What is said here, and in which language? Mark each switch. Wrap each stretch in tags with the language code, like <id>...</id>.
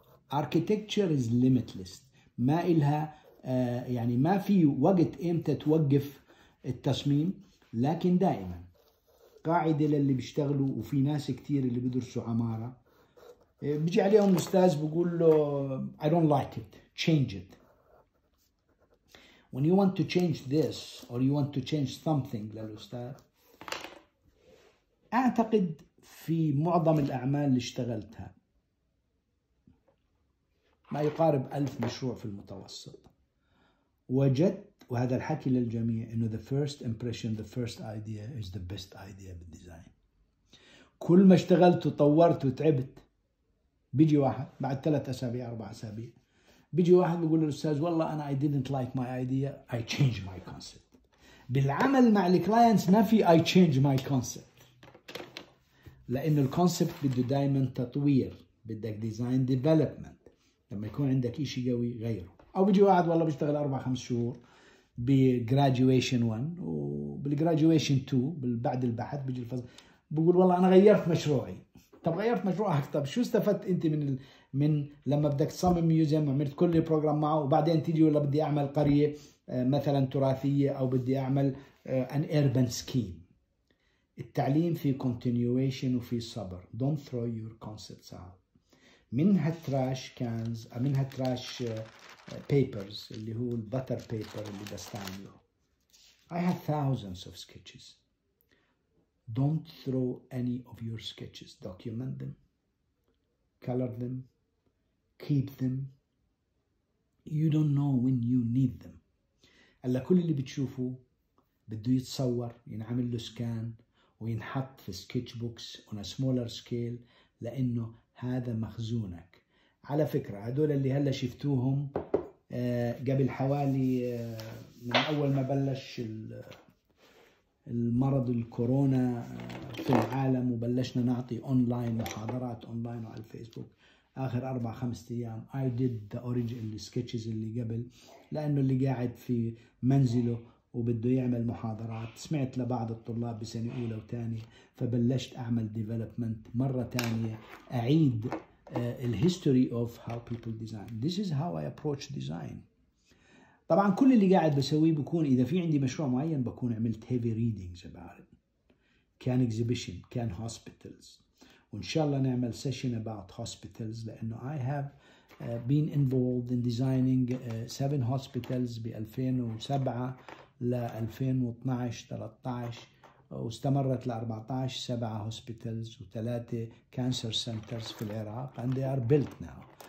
<en>Architecture is limitless.</en> <ar>ما إلها يعني ما في وقت إمتى توقف التصميم, لكن دائما قاعدة للي بيشتغلوا, وفي ناس كتير اللي بيدرسوا عمارة بيجي عليهم الأستاذ بيقول له</ar> <en>I don't like it, change it. When you want to change this or you want to change something</en> <ar>للأستاذ, أعتقد في معظم الأعمال اللي اشتغلتها ما يقارب 1000 مشروع في المتوسط, وجدت, وهذا الحكي للجميع, إنه</ar> <en>the first impression, the first idea is the best idea in design.</en> <ar>كل ما اشتغلت وطورت وتعبت, بيجي واحد بعد 3 أسابيع 4 أسابيع, بيجي واحد بيقول للأستاذ والله أنا</ar> <en>I didn't like my idea, I changed my concept.</en> <ar>بالعمل مع الكلاينتس ما في</ar> <en>I changed my concept,</en> <ar>لأنه الكونسبت بده دائما تطوير, بدك</ar> <en>design development.</en> <ar>لما يكون عندك إشي قوي غيره. أو بيجي واحد والله بيشتغل 4-5 شهور بجراجويشن 1 وبالجراجويشن 2 بعد البحث بيجي الفصل بقول والله أنا غيرت مشروعي. طب غيرت مشروعك, طب شو استفدت أنت من لما بدك تصمم ميوزيوم وعملت كل البروجرام معه, وبعدين تيجي ولا بدي أعمل قرية مثلا تراثية, أو بدي أعمل أن أربن سكيم. التعليم في continuation وفي صبر.</ar> <en>Don't throw your concepts out.</en> <ar>منها تراش كانز, منها تراش papers, اللي هو البتر بيبر اللي بستعمله.</ar> <en>I have thousands of sketches. Don't throw any of your sketches. Document them, color them, keep them. You don't know when you need them.</en> <ar>ألا كل اللي بتشوفه بده يتصور, ينعمل له سكان وينحط في</ar> <en>sketch books on a smaller scale,</en> <ar>لأنه هذا مخزونك. على فكرة هدول اللي هلا شفتوهم قبل حوالي من أول ما بلش المرض الكورونا في العالم, وبلشنا نعطي أونلاين محاضرات أونلاين على الفيسبوك آخر 4-5 أيام,</ar> <en>I did the original sketches</en> <ar>اللي قبل, لأنه اللي قاعد في منزله وبده يعمل محاضرات, سمعت لبعض الطلاب بسنة أولى وتانية, فبلشت أعمل development مرة تانية, أعيد</ar> <en>الهيستوري of how people design. This is how I approach design.</en> <ar>طبعا كل اللي قاعد بسويه بكون اذا في عندي مشروع معين بكون عملت</ar> <en>heavy readings about it.</en> <ar>كان exhibition, كان hospitals, وإن شاء الله نعمل</ar> <en>session about hospitals لأنه I have been involved in designing 7 hospitals ب 2007 ل 2012-13</en> <ar>واستمرت ل 14</ar> <en>7 hospitals وثلاثة cancer centers</en> <ar>في العراق</ar> <en>and they are built now.</en>